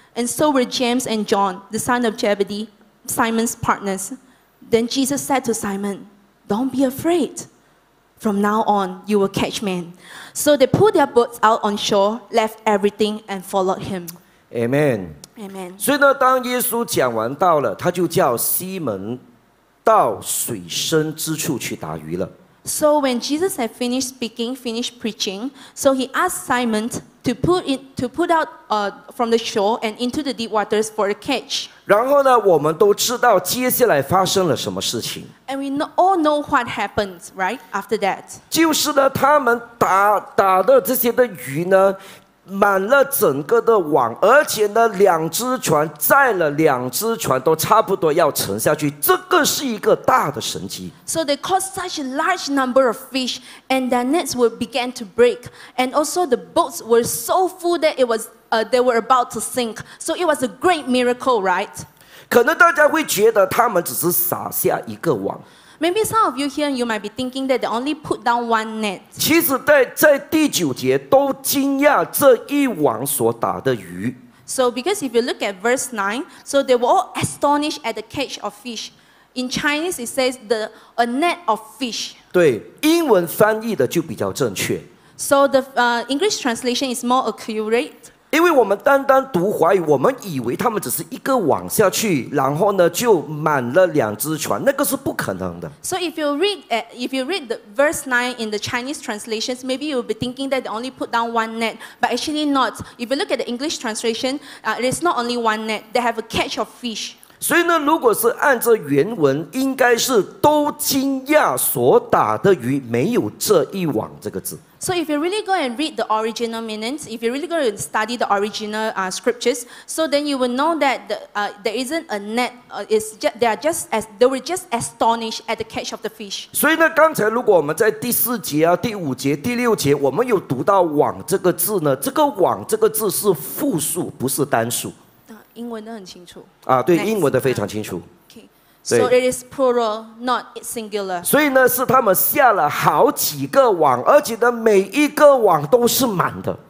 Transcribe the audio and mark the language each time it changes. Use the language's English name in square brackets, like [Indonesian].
[English] And so were James and John, the son of Zebedee, Simon's partners. Then Jesus said to Simon, "Don't be afraid. From now on, you will catch men." So they pulled their boats out on shore, left everything, and followed him. Amen. Amen. [Chinese] 所以呢，当耶稣讲完道了，他就叫西门到水深之处去打鱼了。 [English] So when Jesus had finished speaking, finished preaching, so he asked Simon to put out from the shore and into the deep waters for a catch. [Chinese] 然后呢，我们都知道接下来发生了什么事情。 [English] And we all know what happens, right, after that. [Chinese] 就是呢，他们打的这些的鱼呢，满了整个的网，而且呢，两只船载了两只船都差不多要沉下去，这个是一个大的神迹。 [English] So they caught such a large number of fish, and their nets were began to break, and also the boats were so full that they were about to sink. So it was a great miracle, right? [Chinese] 可能大家会觉得他们只是撒下一个网。 [English] Maybe some of you here, you might be thinking that they only put down one net. [Chinese] 其实在第九节都惊讶这一网所打的鱼。 [English] So because if you look at verse 9, so they were all astonished at the catch of fish. In Chinese, it says a net of fish. [Chinese] 对，英文翻译的就比较正确。 [English] So the English translation is more accurate. [Chinese] 因为我们单单读华语，我们以为他们只是一个网下去，然后呢就满了两只船，那个是不可能的。 [English] So if you read the verse 9 in the Chinese translations, maybe you'll be thinking that they only put down one net, but actually not. If you look at the English translation, it is not only one net. They have a catch of fish. [Chinese] 所以呢，如果是按照原文，应该是都惊讶所打的鱼没有这一网这个字。 [English] So if you really go and read the original meanings, if you really go and study the original scriptures, so then you will know that there isn't a net. They were just astonished at the catch of the fish. [Chinese] 所以呢，刚才如果我们在第四节啊、第五节、第六节，我们有读到“网”这个字呢，这个“网”这个字是复数，不是单数。英文的很清楚。啊，对， Next. 英文的非常清楚。 [English] So it is plural, not singular. [Chinese] 所以呢，是他们下了好几个网，而且呢，每一个网都是满的。